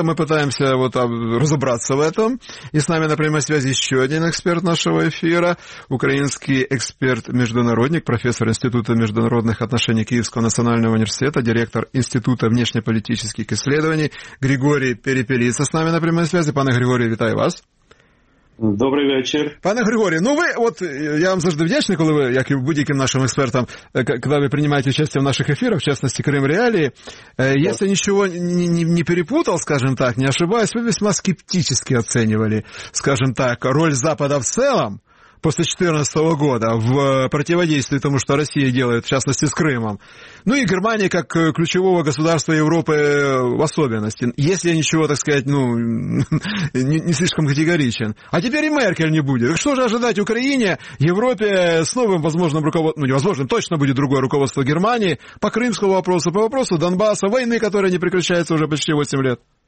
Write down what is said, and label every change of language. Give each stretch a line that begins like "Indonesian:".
Russian: Это мы пытаемся вот разобраться в этом. И с нами на прямой связи еще один эксперт нашего эфира, украинский эксперт-международник, профессор Института международных отношений Киевского национального университета, директор Института внешнеполитических исследований Григорий Перепелица с нами на прямой связи.
Ukrainian: Пане Григорий, вітаю вас. Добрий вечір. Пане Григорію, ну ви, от, я вам завжди вдячний, коли ви, як і будь-яким нашим експертам, коли ви приймаєте участь в наших ефірах, в частності «Крим Реалії», якщо нічого не перепутав, скажімо так,
Russian: не ошибаюсь,
Ukrainian: ви весьма скептично оцінювали, скажімо так, роль Запада в цілому
Russian: после 2014 года в противодействии тому, что Россия делает, в частности, с Крымом. Ну и Германия как ключевого государства Европы в особенности. Если я ничего, так сказать, ну, не слишком категоричен. А теперь и Меркель не будет. Что же ожидать Украине, Европе с новым возможным руководством, ну невозможным, точно будет другое руководство Германии по крымскому вопросу, по вопросу Донбасса, войны, которая не прекращается уже почти 8 лет?